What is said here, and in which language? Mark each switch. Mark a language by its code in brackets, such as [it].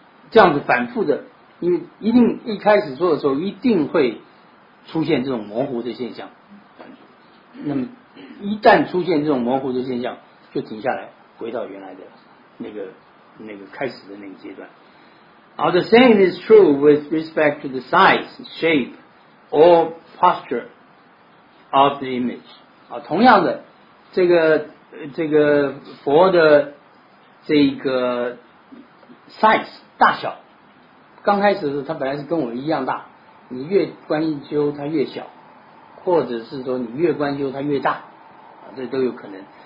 [zh] 这样子反复的，因为一定一开始做的时候一定会出现这种模糊的现象，那么一旦出现这种模糊的现象就停下来回到原来的那个开始的那个阶段。 [en] Now, the same is true with respect to the size, shape, or posture of the image. [zh] 同样的，这个佛的这个 size, 大小，刚开始它本来是跟我一样大，你越观修它越小，或者是说你越观修它越大，这都有可能。